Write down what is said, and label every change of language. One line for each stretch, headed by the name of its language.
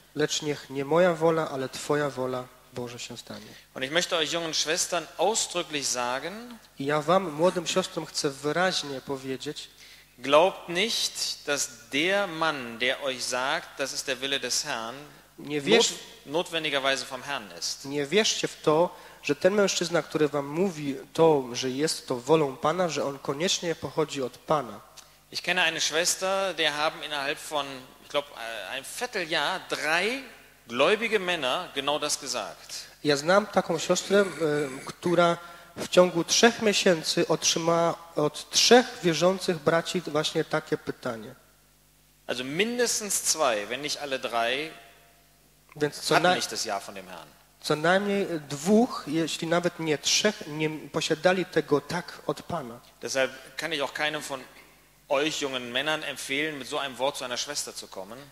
Polish: Lecz niech nie moja wola, ale twoja wola, Boże, się stanie.
German: Und ich möchte euch jungen Schwestern ausdrücklich sagen,
Polish: ja wam, młodym siostrom, chcę wyraźnie powiedzieć,
German: glaubt nicht, dass der Mann, der euch sagt, das ist der Wille des Herrn, notwendigerweise vom Herrn ist.
Polish: Nie wierzcie w to, że ten mężczyzna, który wam mówi to, że jest to wolą Pana, że on koniecznie pochodzi od Pana.
German: Ich kenne eine Schwester, der haben innerhalb von, ich glaube, ein Vierteljahr drei gläubige Männer genau das gesagt.
Polish: Ja znam taką siostrę, która w ciągu trzech miesięcy otrzymała od trzech wierzących braci właśnie takie pytanie.
German: Also mindestens zwei, wenn nicht alle drei, hatten nicht das Jahr von dem Herrn.
Polish: Co najmniej dwóch, jeśli nawet nie trzech, nie posiadali tego tak od Pana.
German: Deshalb kann ich auch keinem von euch jungen Männern empfehlen, mit so einem Wort zu einer Schwester zu kommen.